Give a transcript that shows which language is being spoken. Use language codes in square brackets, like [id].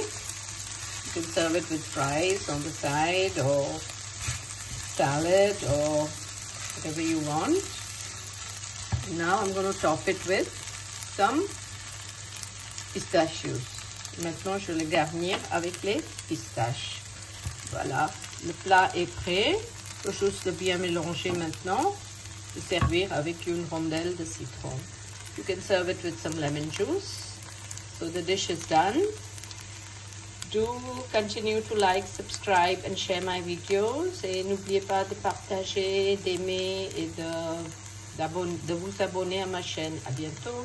[en] You can serve it with fries on the side or salad or whatever you want. Now I'm going to top it with some pistachios. [fr] Maintenant, je vais le garnir avec les pistaches. Voilà, le plat est prêt. Je vais juste le bien mélanger maintenant et servir avec une rondelle de citron. [en] You can serve it with some lemon juice. So the dish is done. Do continue to like, subscribe and share my videos. [fr] Et n'oubliez pas de partager, d'aimer et de vous abonner à ma chaîne. À bientôt.